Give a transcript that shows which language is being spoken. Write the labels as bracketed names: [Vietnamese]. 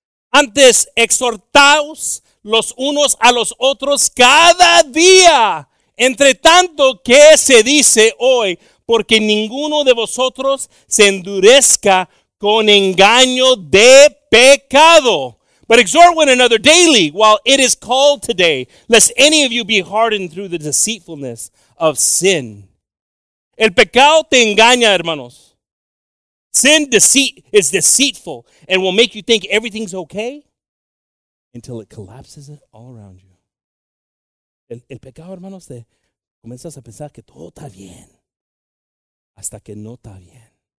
[Spanish] Antes exhortaos los unos a los otros cada día, entre tanto que se dice hoy, porque ninguno de vosotros se endurezca con engaño de pecado. [English] But exhort one another daily while it is called today, lest any of you be hardened through the deceitfulness of sin. [Spanish] El pecado te engaña, hermanos. [English] Sin, deceit, is deceitful and will make you think everything's okay until it collapses it all around you. [Spanish] El pecado, hermanos, te comienzas a pensar que todo está bien hasta que no está bien.